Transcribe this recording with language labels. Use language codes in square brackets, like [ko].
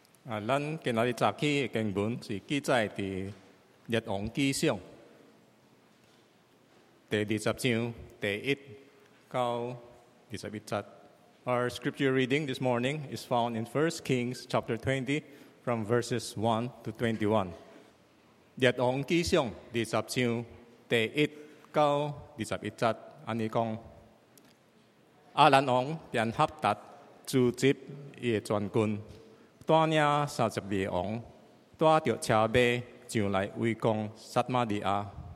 [nan] 啊，咱今仔日查起的经文是记载伫《列王纪上》第二十章第一到二十一节。 [en] Our scripture reading this morning is found in 1 Kings chapter 20 from verses 1 to 21. [nan] 列王纪上二十章第一到二十一节，安尼讲：亚兰王便哈达聚集伊的全军，带领三十二王，带着车马上来围攻撒玛利亚，